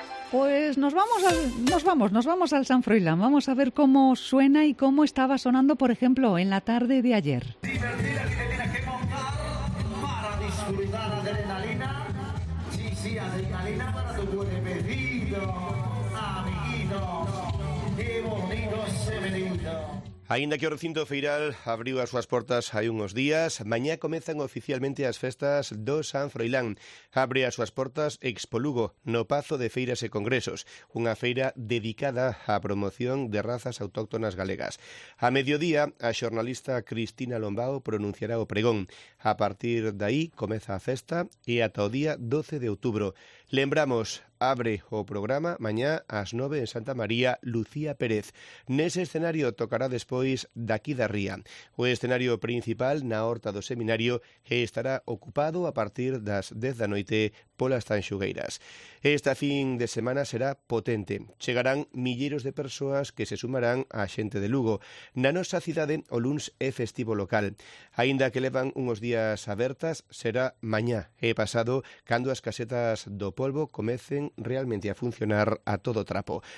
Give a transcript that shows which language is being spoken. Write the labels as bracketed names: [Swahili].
[Spanish] Pues nos vamos al San Froilán. Vamos a ver cómo suena y cómo estaba sonando, por ejemplo, en la tarde de ayer. Divertida, que tiene que montar para disfrutar adrenalina. Sí, sí, adrenalina para tu cuerpecito, amiguito. Qué bonito se venido. [Galician] Ainda que o recinto feiral abriu as súas portas hai uns días, mañá comezan oficialmente as festas do San Froilán. Abre as súas portas Expo Lugo, no Pazo de Feiras e Congresos, unha feira dedicada á promoción de razas autóctonas galegas. A mediodía, a xornalista Cristina Lombao pronunciará o pregón. A partir de aí, comeza a festa e ata o día 12 de outubro. Lembramos, abre o programa mañá ás 9 en Santa María, Lucía Pérez. Nese escenario tocará despois Daqui da Ría. O escenario principal na Horta do Seminario estará ocupado a partir das 10 da noite polas tanxugueiras. Esta fin de semana será potente. Chegarán milleiros de persoas que se sumarán á xente de Lugo. Na nosa cidade, o luns é festivo local. Aínda que levan unhos días abertas, será mañá e pasado cando as casetas do polvo comecen realmente a funcionar a todo trapo.